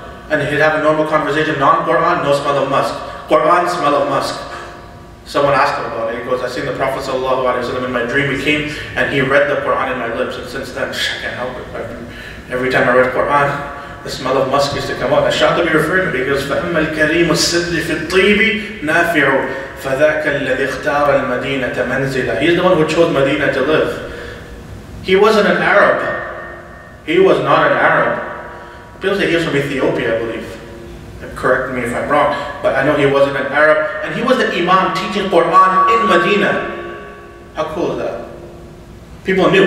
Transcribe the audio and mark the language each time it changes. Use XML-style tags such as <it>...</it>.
<en>And he'd have a normal conversation, non-Quran, no smell of musk. Quran, smell of musk. Someone asked him about it. He goes, I seen the Prophet sallallahu alaihi wasallam in my dream. He came and he read the Quran in my lips. And since then, I can't help it. Every time I read Quran, the smell of musk used to come out. Ash-Shatibi to be referring to me, he goes,</en> <ar>فَأَمَّا الْكَلِيمُ السِّرِّ فِي الطِّيبِ نَافِعُ فَذَاكَ الَّذِي اخْتَارَ الْمَدِينَةَ مَنْزِلًا.</ar> <en>He's the one who chose Medina to live. He wasn't an Arab. He was not an Arab. People say he was from Ethiopia, I believe. Correct me if I'm wrong, but I know he wasn't an Arab. And he was the Imam teaching Quran in Medina. How cool is that? People knew.</en>